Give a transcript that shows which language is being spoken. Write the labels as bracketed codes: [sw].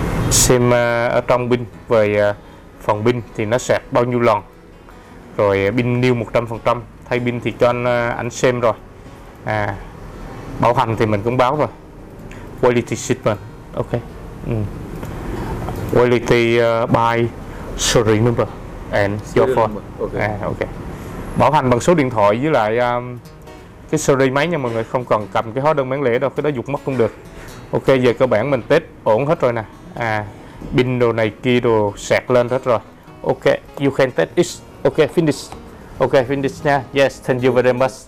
[vi] Xem ở trong pin, về phòng pin thì nó sạc bao nhiêu lần. Rồi pin new 100%, thay pin thì cho anh ảnh xem rồi. Bảo hành thì mình cũng báo rồi. [en] Quality statement, ok. Quality by serial number and your phone. Okay. [vi] Bảo hành bằng số điện thoại với lại cái serial máy nha mọi người, không cần cầm cái hóa đơn bán lẻ đâu, cái đó dục mất cũng được. Ok, giờ cơ bản mình test ổn hết rồi nè. Pin đồ này kia đồ sạc lên hết rồi. [en] Ok, you can test it. Ok, finish. Ok, finish nha. Yes, thank you very much.